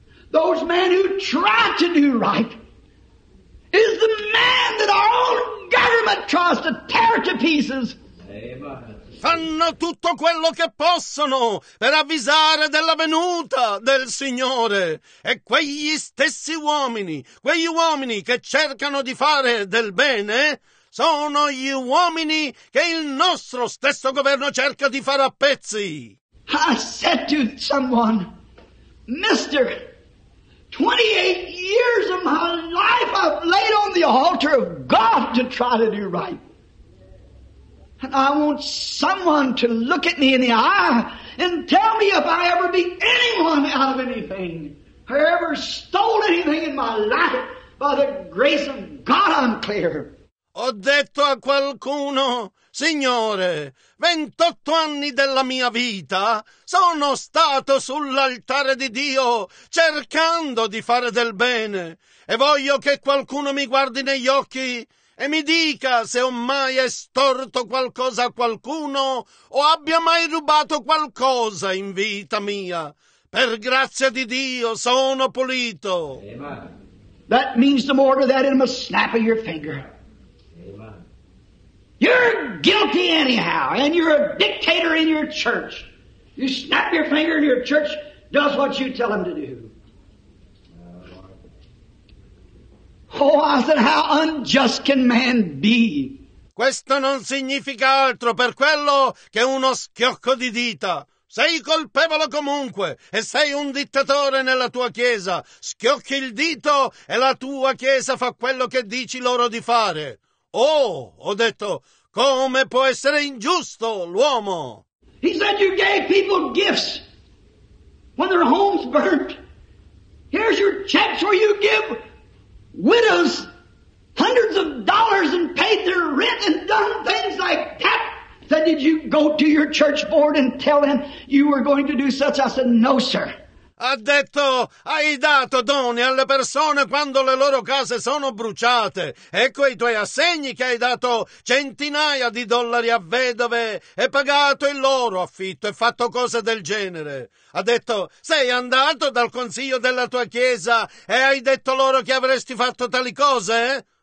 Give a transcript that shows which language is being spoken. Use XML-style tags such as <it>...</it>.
<en>Those men who try to do right, is the man that our own government tries to tear to pieces. Amen.</en> <it>Fanno tutto quello che possono per avvisare della venuta del Signore. E quegli stessi uomini, quegli uomini che cercano di fare del bene, sono gli uomini che il nostro stesso governo cerca di fare a pezzi.</it> <en>I said to someone, Mister, 28 years of my life I've laid on the altar of God to try to do right. And I want someone to look at me in the eye and tell me if I ever beat anyone out of anything or ever stole anything in my life. By the grace of God, I'm clear.</en> <it>Ho detto a qualcuno, Signore, 28 anni della mia vita sono stato sull'altare di Dio cercando di fare del bene, e voglio che qualcuno mi guardi negli occhi e mi dica se ho mai estorto qualcosa a qualcuno o abbia mai rubato qualcosa in vita mia. Per grazia di Dio sono pulito. Amen.</it> <en>That means to order that in a snap of your finger. You're guilty anyhow, and you're a dictator in your church. You snap your finger and your church does what you tell them to do. Oh, I said, how unjust can man be?</en> <it>Questo non significa altro per quello che uno schiocco di dita. Sei colpevole comunque, e sei un dittatore nella tua chiesa. Schiocchi il dito e la tua chiesa fa quello che dici loro di fare. Oh, ho detto, come può essere ingiusto l'uomo?</it> <en>He said you gave people gifts when their homes burnt. Here's your checks where you give widows hundreds of dollars and paid their rent and done things like that. Said, did you go to your church board and tell them you were going to do such? I said, no, sir.</en> <it>Ha detto, hai dato doni alle persone quando le loro case sono bruciate. Ecco i tuoi assegni, che hai dato centinaia di dollari a vedove e pagato il loro affitto e fatto cose del genere. Ha detto, sei andato dal consiglio della tua chiesa e hai detto loro che avresti fatto tali cose?</it>